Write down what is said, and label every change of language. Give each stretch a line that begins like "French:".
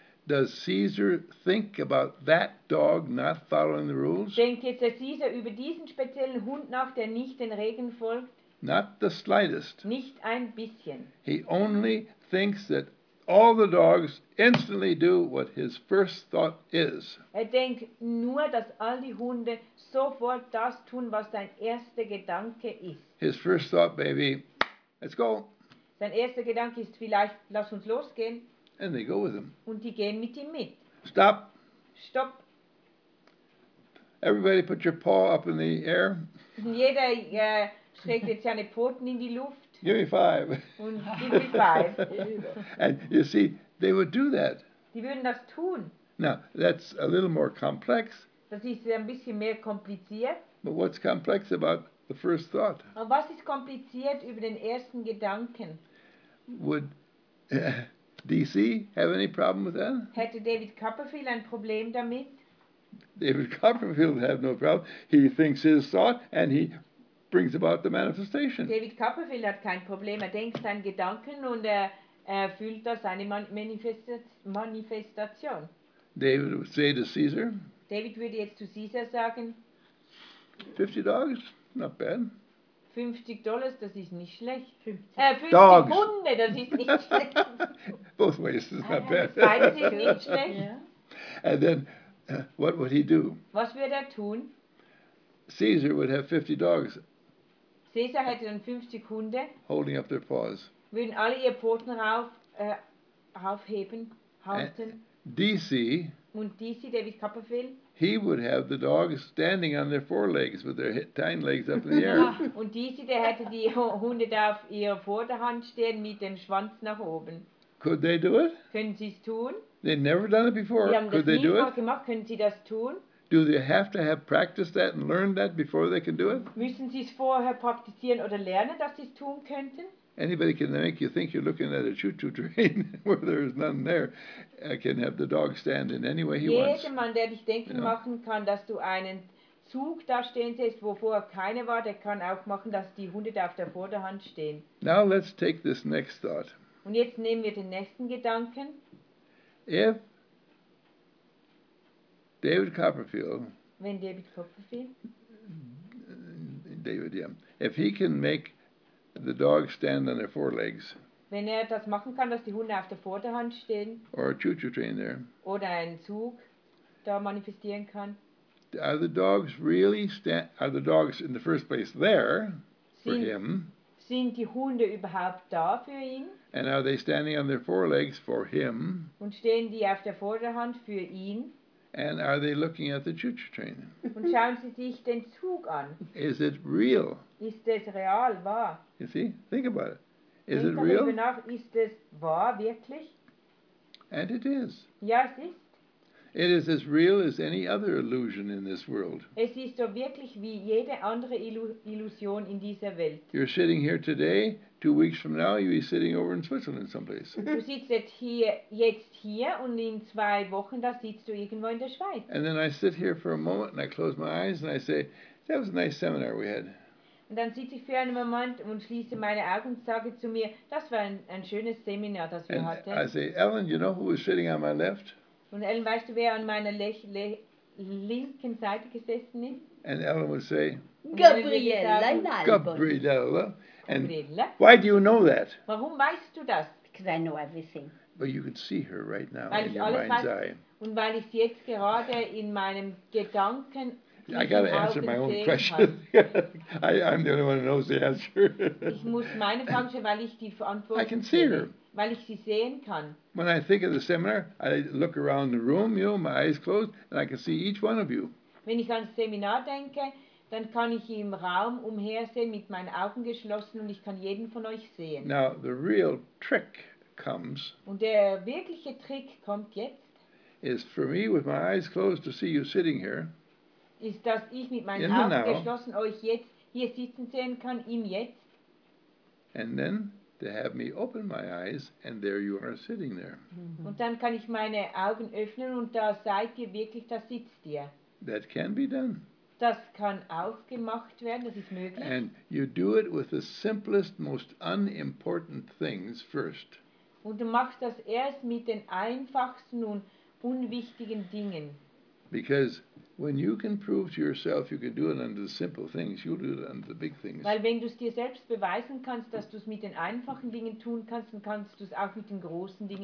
English: Does Caesar think about that dog not following the rules?
German: Denkt jetzt der Caesar über diesen speziellen Hund nach, der nicht den Regeln folgt?
English: Not the slightest.
German: Nicht ein bisschen.
English: He only thinks that all the dogs instantly do what his first thought is.
German: Er denkt nur, dass all die Hunde sofort das tun, was sein erster Gedanke ist.
English: His first thought, baby, let's go.
German: Sein erster Gedanke ist vielleicht, lass uns losgehen.
English: And they go with him.
German: Und die gehen mit ihm mit.
English: Stop.
German: Stop.
English: Everybody put your paw up in the air.
German: Jeder schlägt jetzt seine Pfoten in die Luft.
English: Give me five. Und give me five. And you see, they would do that.
German: Die würden das tun.
English: Now, that's a little more complex.
German: Das ist ein bisschen mehr kompliziert.
English: But what's complex about the first thought?
German: Und was ist kompliziert über den ersten Gedanken?
English: Would... DC have any problem with that?
German: Hätte David Copperfield ein Problem damit?
English: David Copperfield have no problem. He thinks his thought and he brings about the manifestation.
German: David Copperfield hat kein Problem. Er denkt seinen Gedanken und er fühlt da seine Manifestation.
English: David would say to Caesar.
German: David würde jetzt zu Caesar sagen.
English: $50, not bad.
German: $50, das ist nicht schlecht. 50
English: Dogs.
German: Hunde, das ist nicht schlecht.
English: Both ways is not bad.
German: Beides ist nicht schlecht.
English: And then, what would he do?
German: Was würde er tun?
English: Caesar would have 50 dogs.
German: Caesar hätte dann 50 Hunde.
English: Holding up their paws.
German: Würden alle ihr Pfoten aufheben, halten.
English: DC.
German: Und DC, David Copperfield.
English: He would have the dogs standing on their forelegs with their hind legs up in the air.
German: Und diese, der hätte die Hunde da auf ihrer Vorderhand stehen mit dem Schwanz nach oben.
English: Could they do it?
German: Können sie es tun?
English: They've never done it before. Could they do it?
German: Sie haben das nie gemacht. Können sie das tun?
English: Do they have to have practiced that and learned that before they can do it?
German: Müssen sie es vorher praktizieren oder lernen, dass sie es tun könnten?
English: Anybody can make you think you're looking at a choo-choo train where there is none there. I can have the dog stand in any way he
German: jedermann,
English: wants.
German: Jedermann, der dich denken
English: you
German: machen
English: know.
German: Kann, dass du einen Zug da stehen siehst, wo vorher keiner war, der kann auch machen, dass die Hunde da auf der Vorderhand stehen.
English: Now let's take this next thought.
German: Und jetzt nehmen wir den nächsten Gedanken.
English: If David Copperfield...
German: Wenn David Copperfield...
English: David, yeah. If he can make... The dogs stand on their four legs.
German: Wenn er das machen kann, dass die Hunde auf der Vorderhand stehen.
English: Or a choo-choo train there.
German: Oder einen Zug da manifestieren kann.
English: Are the dogs really stand? Are the dogs in the first place there for him?
German: Sind die Hunde überhaupt da für ihn?
English: And are they standing on their four legs for him?
German: Und stehen die auf der Vorderhand für ihn?
English: And are they looking at the choo-choo train?
German: Und schauen sie sich den Zug an?
English: Is it real?
German: Ist es real, wahr?
English: You see, think about it. Is it real?
German: Nach, ist es wahr, wirklich?
English: And it is.
German: Ja, es ist.
English: It is as real as any other illusion in this world.
German: Es ist so wirklich wie jede andere Illusion in dieser Welt.
English: You're sitting here today. 2 weeks from now, you'll be sitting over in Switzerland someplace.
German: Du sitzt hier jetzt hier und in 2 Wochen da sitzt du irgendwo in der Schweiz.
English: And then I sit here for a moment and I close my eyes and I say, that was a nice seminar we had.
German: Und dann sitze ich für einen Moment und schließe meine Augen und sage zu mir, das war ein schönes Seminar, das wir
English: and
German: hatten.
English: I say, Ellen, you know who was sitting on my left?
German: Und Ellen, weißt du, wer an meiner linken Seite gesessen ist?
English: And Ellen would say, Gabriella. And why do you know that?
German: Warum weißt du das?
English: Because I know everything. But you could see her right now
German: weil
English: in your mind's eye.
German: Und weil ich sie jetzt gerade in meinem Gedanken...
English: I gotta answer my own question. I'm the only one who knows the answer.
German: Ich muss meine Frage stellen, weil ich die Antwort.
English: I can see her.
German: Weil ich sie sehen kann.
English: When I think of the seminar, I look around the room, you know, my eyes closed, and I can see each one of you.
German: Wenn ich ans Seminar denke, dann kann ich im Raum umhersehen mit meinen Augen geschlossen und ich kann jeden von euch sehen.
English: Now the real trick comes.
German: Und der wirkliche Trick kommt jetzt.
English: Is for me with my eyes closed to see you sitting here.
German: Ist, dass ich mit meinen Augen
English: now,
German: geschlossen euch jetzt hier sitzen sehen kann, im Jetzt.
English: And then to have me open my eyes and there you are sitting there. Mm-hmm.
German: Und dann kann ich meine Augen öffnen und da seid ihr wirklich, da sitzt ihr.
English: That can be done.
German: Das kann auch gemacht werden, das ist möglich.
English: And you do it with the simplest, most unimportant things first.
German: Und du machst das erst mit den einfachsten und unwichtigen Dingen.
English: Because when you can prove to yourself you can do it under the simple things, you'll do it under the big things.
German: Weil wenn du es dir selbst beweisen kannst, dass du es mit den einfachen Dingen tun kannst, dann kannst du es auch mit den großen Dingen